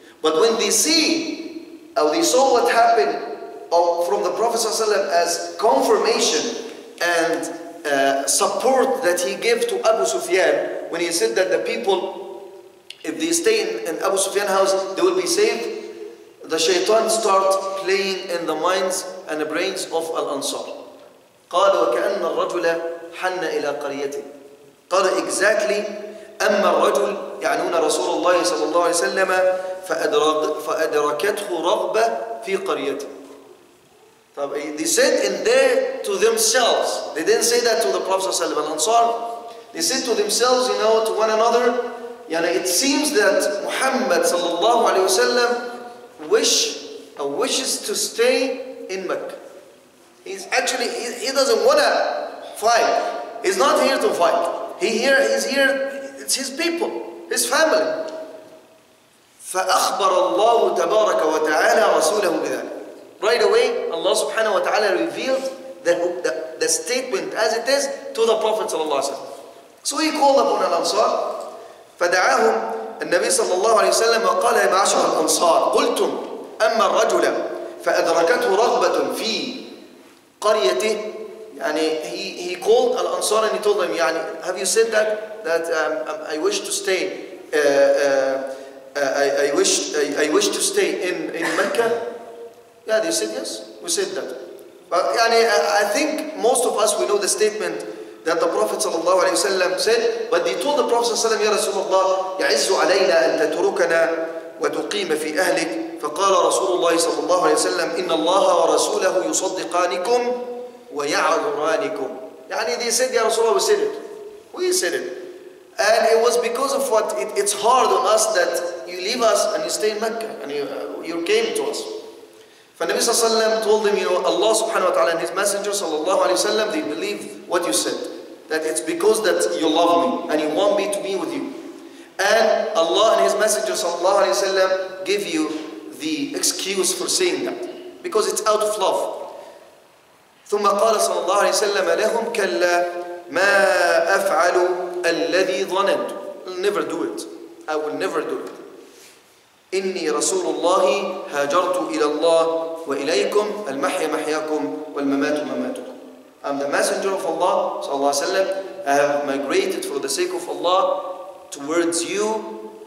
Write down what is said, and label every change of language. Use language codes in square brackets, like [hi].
[en] But when they see, or they saw what happened from the Prophet sallallahu alaihi wasallam as confirmation and support that he gave to Abu Sufyan, when he said that the people, if they stay in Abu Sufyan's house, they will be saved, the shaitan start playing in the minds and the brains of Al-Ansar. [ar] قال وكأن الرجل حن إلى قريته. قال exactly أما الرجل يعنون رسول الله صلى الله عليه وسلم فأدركته رغبة في قريته. [en] طب they said in there to themselves. They didn't say that to the Prophet صلى الله عليه وسلم. Al-Ansar, they said to themselves, you know, to one another, Yani it seems that Muhammad sallallahu alayhi wa sallam wishes to stay in Mecca. He doesn't want to fight. He's not here to fight. He's here, it's his people, his family. [ar] فأخبر الله تبارك وتعالى رسوله بذلك. [en] Right away, Allah subhanahu wa ta'ala revealed the statement as it is to the Prophet sallallahu alayhi wa sallam. So he called upon al-Ansar. [ar] فدعاهم النبي صلى الله عليه وسلم وقال يا معشر الأنصار قلتم أما الرجل فأدركته رغبة في قريته. [en] يعني he called al-Ansar and he told them, يعني have you said that I wish to stay I wish to stay in Mecca? Yeah, they said yes. We said that. But يعني, I think most of us, we know the statement that the Prophet sallallahu alayhi wa sallam said, but they told the Prophet sallallahu alayhi wa sallam, [ar] يا رسول الله, يعز علينا أن تتركنا وتقيم في أهلك. فقال رسول الله صلى الله عليه وسلم, إن الله ورسوله يصدقانكم ويعذرانكم. [en] يعني they said, يا رسول الله, we said it. We said it. And it was because of what, it's hard on us that you leave us and you stay in Mecca and you came to us. فالنبي صلى الله عليه وسلم told him, you know, Allah subhanahu wa ta'ala and his messenger صلى الله عليه وسلم, they believe what you said. That it's because that you love me and you want me to be with you. And Allah and his messenger صلى الله عليه وسلم give you the excuse for saying that. Because it's out of love. [ar] ثم قال صلى الله عليه وسلم لهم كلا ما أفعل الذي ظننت. [en] I'll never do it. I will never do it. [ar] إني رسول الله هاجرت إلى الله وإليكم المحيا محياكم والممات مماتكم. [en] I'm the messenger of Allah صلى الله عليه وسلم. I have migrated for the sake of Allah towards you.